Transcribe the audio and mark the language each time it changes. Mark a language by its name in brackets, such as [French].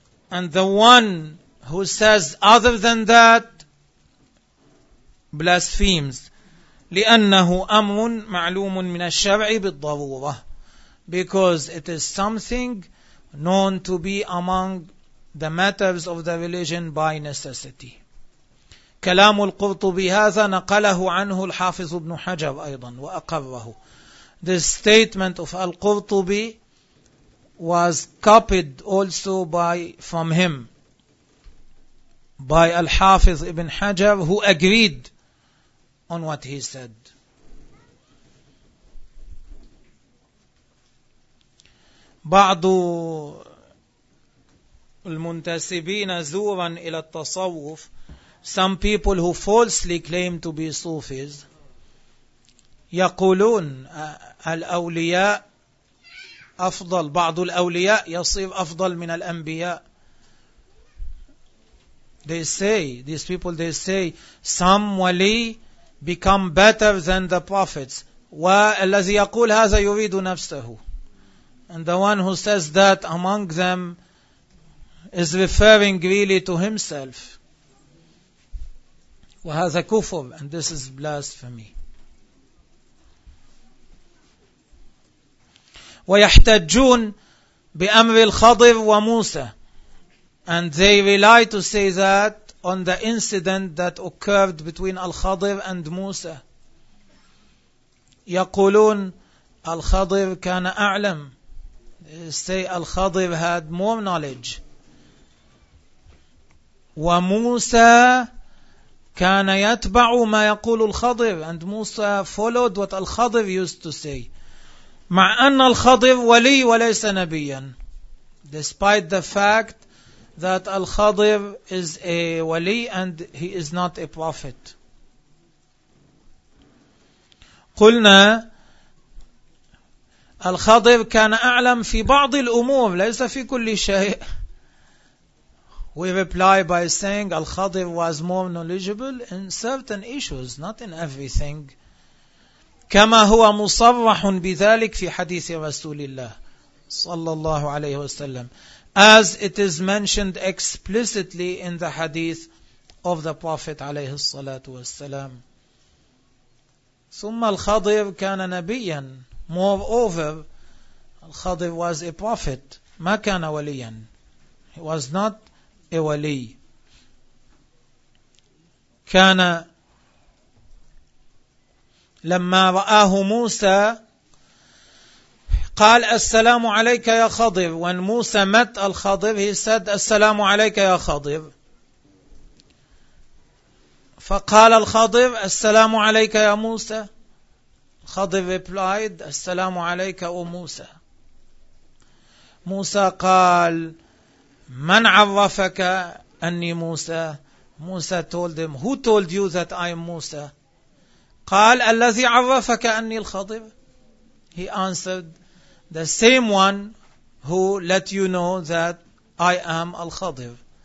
[English] And the one who says other than that blasphemes. [Arabic] لأنه أمر معلوم من الشرع بالضرورة. [English] Because it is something known to be among the matters of the religion by necessity. [Arabic] كلام القرطبي هذا نقله عنه الحافظ ابن حجر أيضا وأقره. [English] This statement of Al-Qurtubi was copied also by Al-Hafiz Ibn Hajar, who agreed on what he said. [Arabic] بعض المنتسبين زورا إلى التصوف. [English] Some people who falsely claim to be Sufis, [Arabic] يقولون الأولياء أفضل, بعض الأولياء يصير أفضل من الأنبياء. [English] They say, these people, they say, some wali become better than the prophets. [Arabic] والذي يقول هذا يريد نفسه. [English] And the one who says that among them is referring really to himself. [Arabic] وهذا كفر, [English] and this is blasphemy. [Arabic] ويحتجون بأمر الخضر وموسى. [English] And they rely to say that on the incident that occurred between Al-Khadir and Musa. [Arabic] يقولون Al-Khadir كان أعلم. [English] They say Al-Khadir had more knowledge. [Arabic] وموسى كان يتبع ما يقول Al-Khadir. [English] And Musa followed what Al-Khadir used to say. [Arabic] مع أن الخضر ولي وليس نبيا. [English] Despite the fact that الخضر is a ولي and he is not a prophet. [Arabic] قلنا الخضر كان أعلم في بعض الأمور ليس في كل شيء. [English] We reply by saying الخضر was more knowledgeable in certain issues, not in everything. [Arabic] كما هو مصرح بذلك في حديث رسول الله صلى الله عليه وسلم, [English] as it is mentioned explicitly in the hadith of the Prophet [Arabic] عليه الصلاة والسلام. ثم الخضر كان نبيا. [English] Moreover, الخضر was a prophet, [Arabic] ما كان وليا. [English] He was not a ولي. [Arabic] كان لما رآه موسى قال السلام عليك يا خضر. [English] When Musa met Al-Khadir, he said [Arabic] السلام عليك يا خضر. فقال Al-Khadir السلام عليك يا موسى. [English] Khadir replied [Arabic] السلام عليك يا موسى. موسى قال من عرفك أني موسى. [English] Musa told him, who told you that I am Musa. [Arabic] قال الذي عرفك أني الخضر. [English] He answered, the same one who let you know that I am al-Khadir.